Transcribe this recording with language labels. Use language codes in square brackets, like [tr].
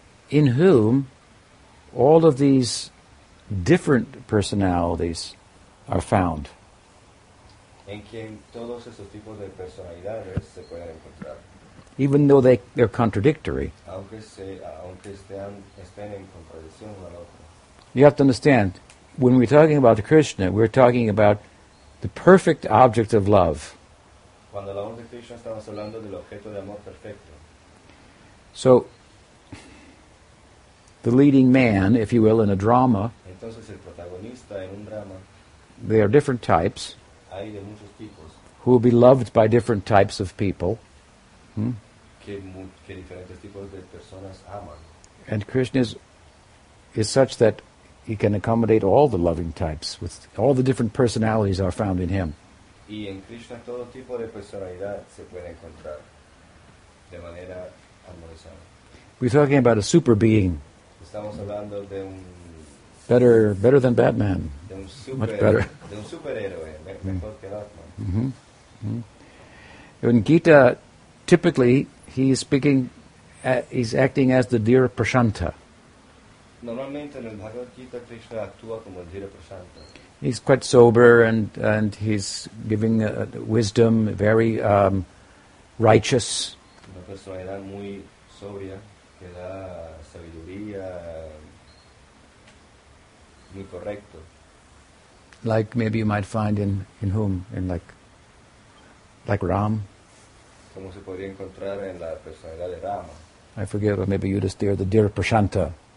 [en] In whom all of these different personalities are found. [es] En quien todos esos tipos de personalidades se pueden encontrar. [en] Even though they're contradictory. [es] Aunque estén en contradicción con el otro. [en] You have to understand, when we're talking about Krishna, we're talking about the perfect object of love. [es] Cuando hablamos de Krishna, estamos hablando del objeto de amor perfecto. [en] So, the leading man, if you will, in a drama. [es] Entonces, el protagonista en un drama. [en] There are different types. [es] Hay de muchos tipos. [en] Who will be loved by different types of people. [es] Que diferentes tipos de personas aman. [en] And Krishna is such that he can accommodate all the loving types, with all the different personalities are found in him. [es] Y en Krishna todo tipo de personalidad se puede encontrar de manera armonizada. [en] We're talking about a super being. [es] Estamos hablando de un [en] better than Batman. [es] De un super, [en] much better. [es] De un superhéroe, mejor que Batman. [en] Mm-hmm. In Gita, typically he is speaking, he's acting as the Dhira Prashanta. [es] Normalmente en el Bhagavad Gita Krishna actúa como el Dhira Prashanta. [en] He's quite sober and he's giving wisdom, very righteous. [es] Una personalidad muy sobria, que da sabiduría muy correcto. [en] Like maybe you might find in Ram. [es] Como se podría encontrar en la personalidad de Rama. [en] I forget, or maybe Yudhisthira, the Dhira Prashanta.